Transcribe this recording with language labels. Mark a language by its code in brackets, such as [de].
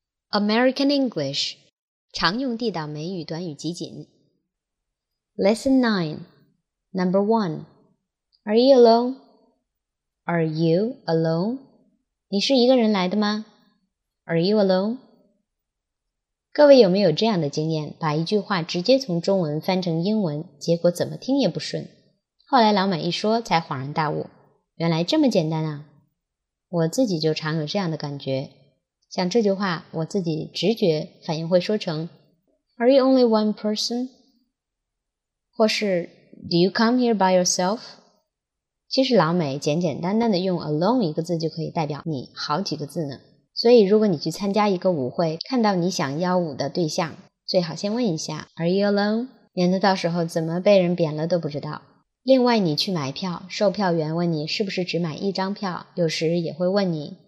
[en] American English [zh] 常用地道美语短语集锦 [en] Lesson 9 Number 1 Are you alone? Are you alone? [zh] 你是一个人来的吗? [en] Are you alone? [zh] 各位有没有这样的经验，把一句话直接从中文翻成英文，结果怎么听也不顺，后来老板一说才恍然大悟，原来这么简单啊。我自己就常有这样的感觉，像这句话，我自己直觉反应会说成 [en] Are you only one person? [zh] 或是 [en] Do you come here by yourself? [zh] 其实老美简简单单的用 alone 一个字就可以代表你好几个字呢。所以如果你去参加一个舞会，看到你想邀舞的对象，最好先问一下 [en] Are you alone? [zh] 免得到时候怎么被人贬了都不知道。另外你去买票，售票员问你是不是只买一张票，有时也会问你